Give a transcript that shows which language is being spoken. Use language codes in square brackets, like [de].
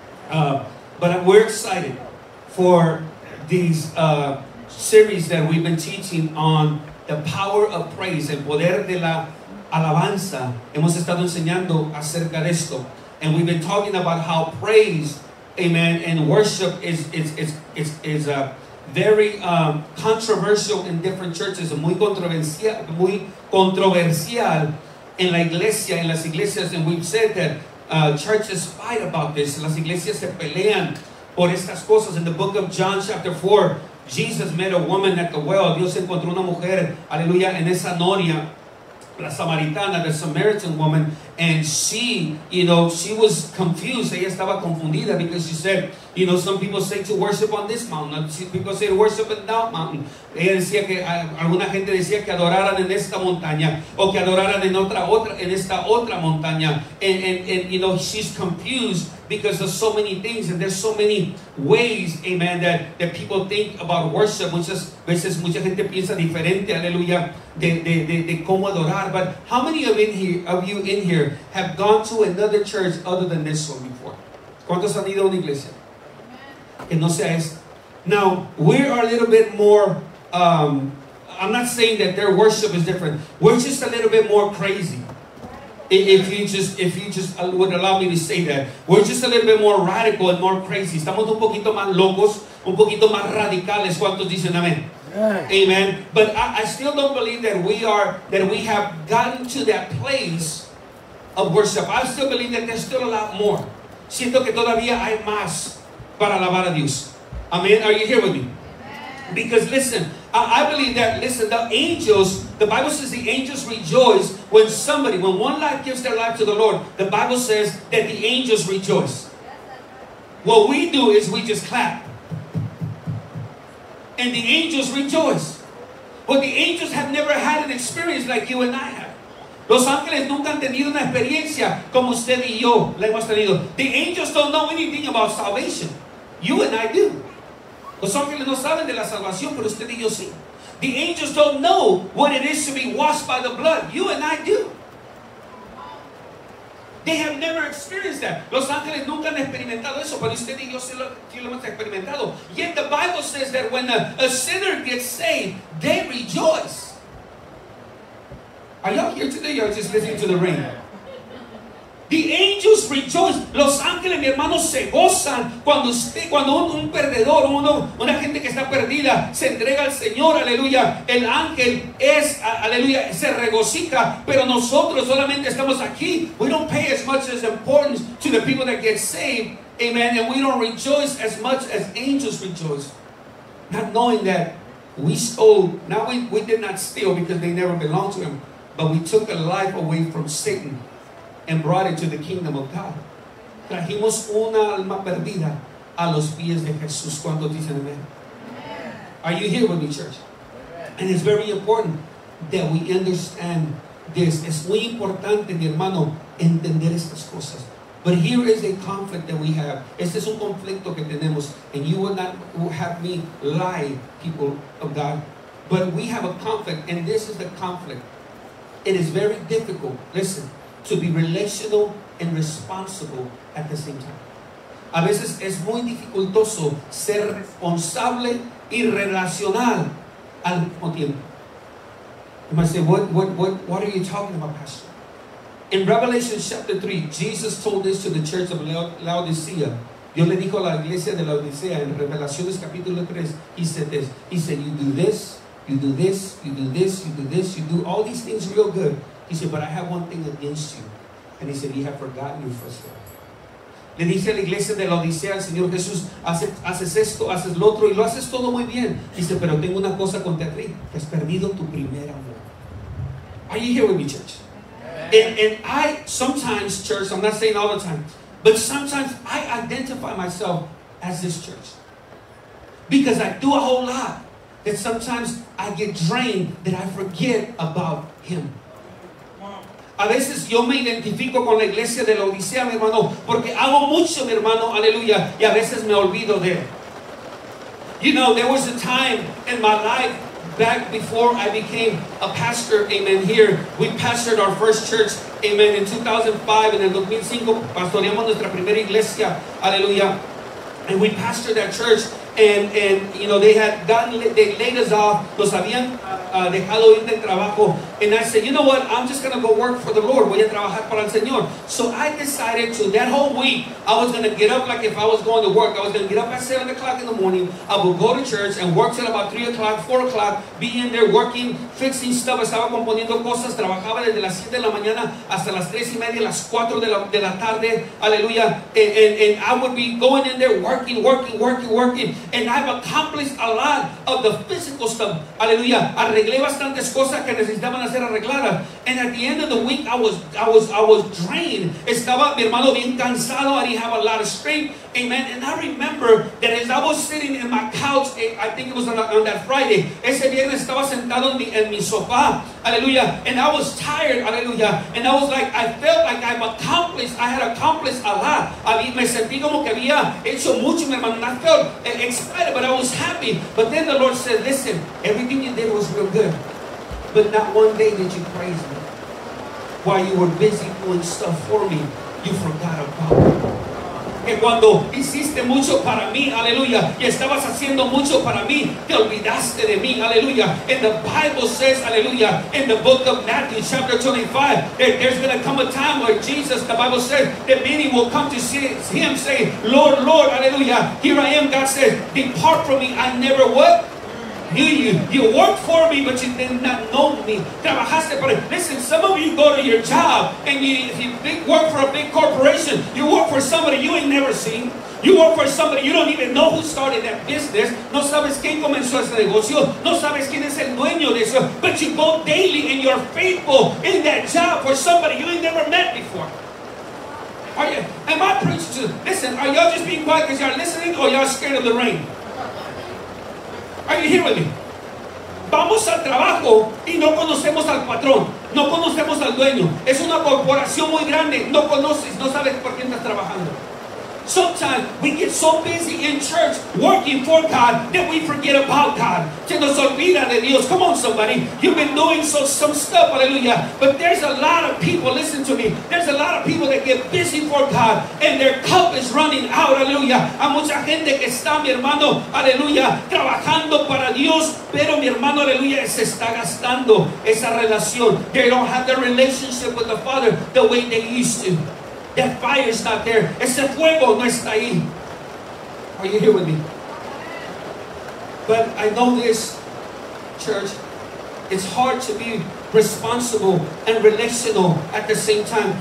[en] But we're excited for these series that we've been teaching on the power of praise, [es] el poder de la alabanza. Hemos estado enseñando acerca de esto. [en] And we've been talking about how praise, amen, and worship is very controversial in different churches. [es] Muy controversial en la iglesia, en las iglesias. [en] And we've said that churches fight about this. [es] Las iglesias se pelean por estas cosas. [en] In the book of John chapter 4, Jesus met a woman at the well. [es] Dios encontró una mujer, aleluya, en esa noria, la samaritana, [en] the Samaritan woman. And she, you know, she was confused. [es] Ella estaba confundida [en] because she said, you know, some people say to worship on this mountain. People say to worship in that mountain. [es] Ella decía que, alguna gente decía que adoraran en esta montaña o que adoraran en esta otra montaña. [en] And, you know, she's confused because there's so many things and there's so many ways, amen, that people think about worship. [es] Muchas veces mucha gente piensa diferente, aleluya, de cómo adorar. [en] But how many of you in here have gone to another church other than this one before? [es] ¿Cuántos han ido a una iglesia? Que no sea esta. [en] Now, we are a little bit more, I'm not saying that their worship is different. We're just a little bit more crazy. If you just would allow me to say that. We're just a little bit more radical and more crazy. [es] Estamos un poquito más locos, un poquito más radicales. ¿Cuántos dicen amén? Yeah. Amen. [en] But I still don't believe that we have gotten to that place of worship. I still believe that there's still a lot more. [es] Siento que todavía hay más para alabar a Dios. [en] Amen. Are you here with me? Amen. Because listen, I believe that, listen, the angels, the Bible says the angels rejoice when somebody, when one life gives their life to the Lord, the Bible says that the angels rejoice. What we do is we just clap. And the angels rejoice. But the angels have never had an experience like you and I have. [es] Los ángeles nunca han tenido una experiencia como usted y yo la hemos tenido. [en] The angels don't know anything about salvation. You and I do. [es] Los ángeles no saben de la salvación, pero usted y yo sí. [en] The angels don't know what it is to be washed by the blood. You and I do. They have never experienced that. [es] Los ángeles nunca han experimentado eso, pero usted y yo sí lo hemos experimentado. [en] Yet the Bible says that when a sinner gets saved, they rejoice. Are y'all here today? Y'all just listening to the rain. The angels rejoice. [es] Los ángeles, mi hermano, se gozan cuando un perdedor, una gente que está perdida, se entrega al Señor. Aleluya. El ángel es, aleluya, se regocija. Pero nosotros solamente estamos aquí. [en] We don't pay as much as importance to the people that get saved. Amen. And we don't rejoice as much as angels rejoice. Not knowing that we stole. Now we did not steal because they never belonged to him. But we took a life away from Satan and brought it to the kingdom of God. [es] Trajimos una alma perdida a los pies de Jesús. ¿Cuántos dicen amén? [en] Amen. Are you here with me, church? Amen. And it's very important that we understand this. [es] Es muy importante, mi hermano, entender estas cosas. [en] But here is a conflict that we have. [es] Este es un conflicto que tenemos. [en] And you will not have me lie, people of God. But we have a conflict, and this is the conflict. It is very difficult, listen, to be relational and responsible at the same time. [es] A veces es muy dificultoso ser responsable y relacional al mismo tiempo. [en] You might say, what are you talking about, Pastor? In Revelation chapter 3, Jesus told this to the church of Laodicea. [es] Dios le dijo a la iglesia de Laodicea, en Revelaciones capítulo 3, [en] he said this. He said, you do this. You do this, you do this, you do this, you do all these things real good. He said, but I have one thing against you. And he said, you have forgotten your first love. [es] Le dice a la iglesia de la Odisea, el Señor Jesús, haces esto, haces lo otro, y lo haces todo muy bien. Dice, pero tengo una cosa contra ti, que has perdido tu primer amor. [en] Are you here with me, church? And I, sometimes, church, I'm not saying all the time, but sometimes I identify myself as this church. Because I do a whole lot. That sometimes I get drained, that I forget about him. [es] A veces yo me identifico con la iglesia de la Odisea, mi hermano, porque amo mucho, mi hermano, aleluya, y a veces me olvido de él. [en] You know, there was a time in my life back before I became a pastor, amen, here. We pastored our first church, amen, in 2005. [es] En el 2005, pastoreamos nuestra primera iglesia, aleluya. [en] And we pastored that church, and you know, they had gotten, they laid us off, [es] nos habían dejado ir del trabajo. [en] And I said, you know what, I'm just going to go work for the Lord. [es] Voy a trabajar para el Señor. [en] So I decided to, that whole week, I was going to get up like if I was going to work. I was going to get up at 7 o'clock in the morning. I would go to church and work till about 3 o'clock, 4 o'clock, be in there working, fixing stuff. [es] Estaba componiendo cosas. Trabajaba desde las 7 de la mañana hasta las 3 y media, las 4 de la tarde. Aleluya. [en] And I would be going in there working, working, working, working. And I've accomplished a lot of the physical stuff. Aleluya. [es] Arreglé bastantes cosas que necesitaban hacer arregladas. [en] And at the end of the week, I was drained. [es] Estaba, mi hermano, bien cansado. [en] I didn't have a lot of strength. Amen. And I remember that as I was sitting in my couch, I think it was on that Friday. [es] Ese viernes estaba sentado en mi sofá. Aleluya. [en] And I was tired. [es] Aleluya. [en] And I was like, I felt like I had accomplished a lot. [es] Me sentí como que había hecho mucho, mi hermano. [en] And I felt excited, but I was happy. But then the Lord said, listen, everything you did was real good. But not one day did you praise me. While you were busy doing stuff for me, you forgot about me. [es] Que cuando hiciste mucho para mí, aleluya, y estabas haciendo mucho para mí, te olvidaste de mí, aleluya. [en] And the Bible says, aleluya, in the book of Matthew chapter 25, that there's going to come a time where Jesus, the Bible says, that many will come to see him saying, Lord, Lord, aleluya, here I am, God says, depart from me, I never what? You worked for me, but you did not know me. [es] Trabajaste para. [en] Listen, some of you go to your job and you work for a big corporation. You work for somebody you ain't never seen. You work for somebody you don't even know who started that business. [es] No sabes quién comenzó ese negocio. No sabes quién es el dueño de eso. [en] But you go daily and you're faithful in that job for somebody you ain't never met before. Are you? Am I preaching to? Listen, are y'all just being quiet because y'all listening or y'all scared of the rain? Are you here with me? [es] Vamos al trabajo y no conocemos al patrón. No conocemos al dueño. Es una corporación muy grande. No conoces, no sabes por quién estás trabajando. [en] Sometimes we get so busy in church working for God that we forget about God. [es] Se nos olvida de Dios. [en] Come on, somebody. You've been doing some stuff, hallelujah. But there's a lot of people, listen to me. There's a lot of people that get busy for God and their cup is running out, hallelujah. [es] Hay mucha gente que está, mi hermano, aleluya, trabajando para Dios, pero mi hermano, aleluya, se está gastando esa relación. [en] They don't have the relationship with the Father the way they used to. That fire is not there. [es] Ese fuego no está ahí. [en] Are you here with me? But I know this, church. It's hard to be responsible and relational at the same time.